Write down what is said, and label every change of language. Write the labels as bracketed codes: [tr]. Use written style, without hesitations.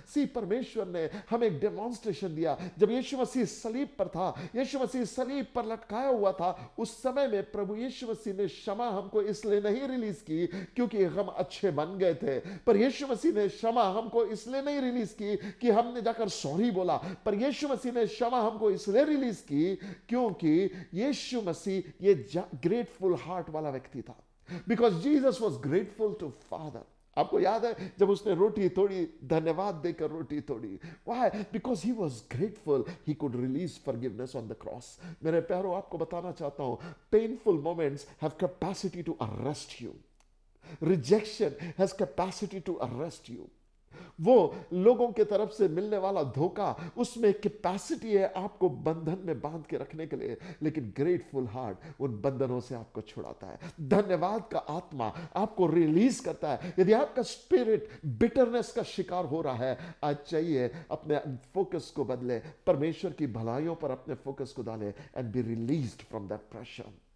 [hi] सी परमेश्वर ने हमें एक डेमोंस्ट्रेशन दिया. जब यीशु मसीह सलीब पर था, यीशु मसीह सलीब पर लटकाया हुआ था, उस समय में प्रभु यीशु मसीह ने क्षमा हमको इसलिए नहीं रिलीज की क्योंकि हम अच्छे बन गए थे, पर यीशु मसीह ने क्षमा हमको इसलिए नहीं रिलीज की कि हमने जाकर सॉरी बोला, पर यीशु मसीह ने क्षमा हमको इसलिए रिलीज की क्योंकि यीशु मसीह ये ग्रेटफुल हार्ट वाला व्यक्ति था. [en] Because Jesus was grateful to father. [hi] आपको याद है जब उसने रोटी तोड़ी, धन्यवाद देकर रोटी तोड़ी. [en] Why? Because he was grateful. He could release forgiveness on the cross. [hi] मेरे प्यारों आपको बताना चाहता हूं, [en] painful moments have capacity to arrest you. Rejection has capacity to arrest you. [hi] वो लोगों के तरफ से मिलने वाला धोखा, उसमें कैपेसिटी है आपको बंधन में बांध के रखने के लिए, लेकिन ग्रेटफुल हार्ट उन बंधनों से आपको छुड़ाता है. धन्यवाद का आत्मा आपको रिलीज करता है. यदि आपका स्पिरिट बिटरनेस का शिकार हो रहा है, आज चाहिए अपने फोकस को बदले, परमेश्वर की भलाइयों पर अपने फोकस को डालें [en] And be released from that pressure.